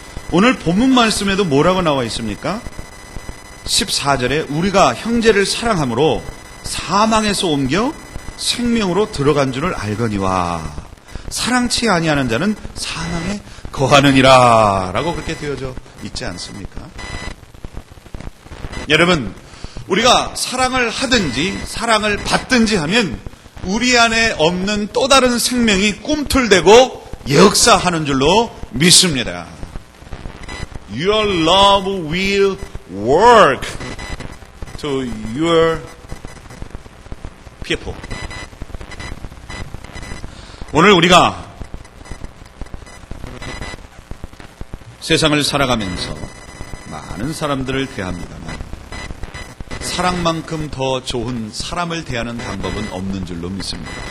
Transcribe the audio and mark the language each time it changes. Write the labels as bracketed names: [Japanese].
[Korean] 오늘 본문 말씀에도 뭐라고 나와 있습니까? 14절에 우리가 형제를 사랑함으로 사망에서 옮겨 생명으로 들어간 줄을 알거니와 사랑치 아니하는 자는 사망에 거하느니라 라고 그렇게 되어져 있지 않습니까? 여러분, 우리가 사랑을 하든지 사랑을 받든지 하면 우리 안에 없는 또 다른 생명이 꿈틀대고 역사하는 줄로 믿습니다. [English] Your love will work to your people. [Korean] 오늘 우리가 세상을 살아가면서 많은 사람들을 대합니다만 사랑만큼 더 좋은 사람을 대하는 방법은 없는 줄로 믿습니다.